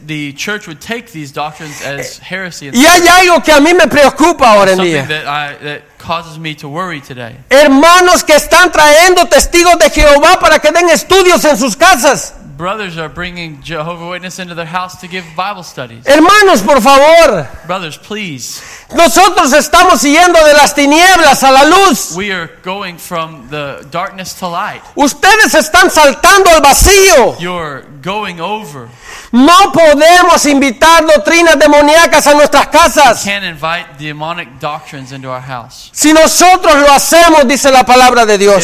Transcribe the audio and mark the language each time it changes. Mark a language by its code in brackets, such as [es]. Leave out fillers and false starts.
[en] The church would take these doctrines as heresy. [es] Y hay algo que a mí me preocupa ahora en día. [en] That causes me to worry today. [es] Hermanos que están trayendo testigos de Jehová para que den estudios en sus casas. [en] Brothers are bringing Jehovah's Witness into their house to give Bible studies. [es] Hermanos, por favor. [en] Brothers, please. [es] Nosotros estamos yendo de las tinieblas a la luz. [en] We are going from the darkness to light. [es] Ustedes están saltando al vacío. [en] You're going over. [es] No podemos invitar doctrinas demoníacas a nuestras casas. [en] We can't invite demonic doctrines into our house. [es] Si nosotros lo hacemos, dice la palabra de Dios.